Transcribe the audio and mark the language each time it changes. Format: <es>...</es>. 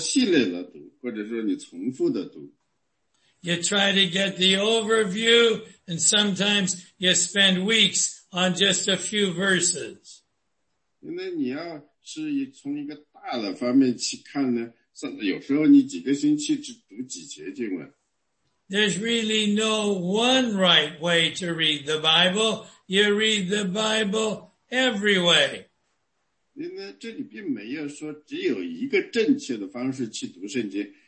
<zh>所以呢，你就按照系列的读，或者说你重复的读。</zh> <en>You try to get the overview, and sometimes you spend weeks on just a few verses.</en> <zh>因为你要是从一个大的方面去看呢，有时候你几个星期只读几节经文。</zh> <en>There's really no one right way to read the Bible. You read the Bible every way.</en> <zh>因为这里并没有说只有一个正确的方式去读圣经。</zh>